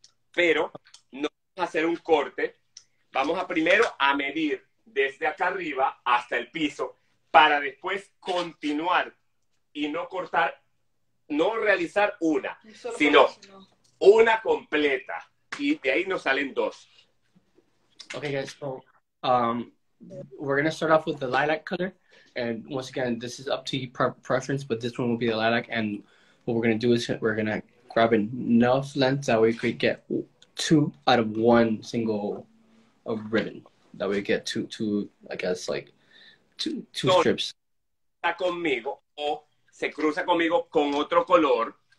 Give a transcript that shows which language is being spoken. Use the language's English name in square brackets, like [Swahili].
[Spanish] Pero no vamos a hacer un corte. Vamos a primero a medir desde acá arriba hasta el piso para después continuar y no cortar, no realizar una, sino una completa. Y de ahí nos salen dos. [English] Ok, guys, so we're going to start off with the lilac color. And once again, this is up to your preference, but this one will be the lilac, and what we're going to do is we're going to grab enough length that we could get two out of one single of ribbon. That we get two, I guess, like two strips. [Spanish] Está conmigo o se cruza conmigo con otro color.